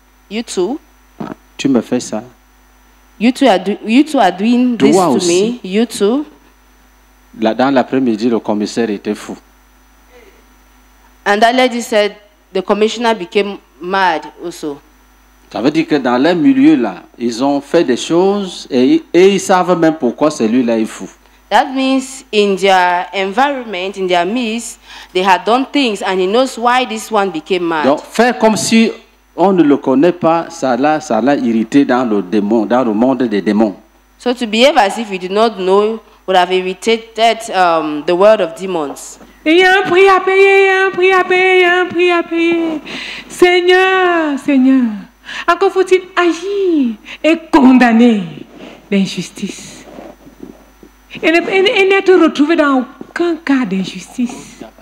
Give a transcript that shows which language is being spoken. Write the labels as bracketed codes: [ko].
[en] You too. [fr] Tu me fais ça. [en] You two are doing this [fr] aussi. [en] To me. You too. [fr] Dans l'après-midi, le commissaire était fou. [en] And that lady said the commissioner became mad also. [fr] Ça veut dire que dans leur milieu là, ils ont fait des choses et ils savent même pourquoi celui-là est fou. [en] That means in their environment, in their midst, they had done things and he knows why this one became mad. [fr] Donc faire comme si on ne le connaît pas, ça l'a irrité dans le monde des démons. [en] So to behave as if you do not know would have irritated the world of demons. [fr] Il y a un prix à payer, il y a un prix à payer, il y a un prix à payer. Seigneur, Seigneur, encore faut-il agir et condamner l'injustice. Et n'être retrouvé dans aucun cas d'injustice.